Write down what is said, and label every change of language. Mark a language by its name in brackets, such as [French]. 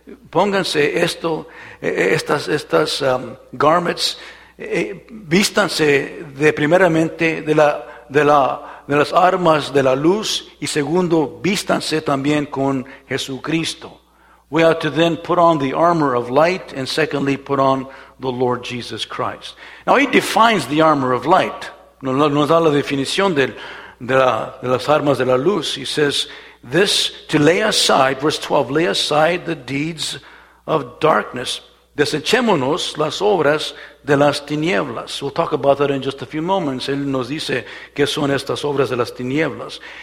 [Spanish] Pónganse esto, estas garments, vístanse de primeramente de las armas de la luz, y segundo, vístanse también con Jesucristo. [English] We ought to then put on the armor of light, and secondly, put on the Lord Jesus Christ. Now, he defines the armor of light. [Spanish] Nos da la definición de las armas de la luz. [English] He says, this, to lay aside, verse 12, lay aside the deeds of darkness. [Spanish] desechémonos las obras de las tinieblas. [English] We'll talk about that in just a few moments. [Spanish] Él nos dice qué son estas obras de las tinieblas.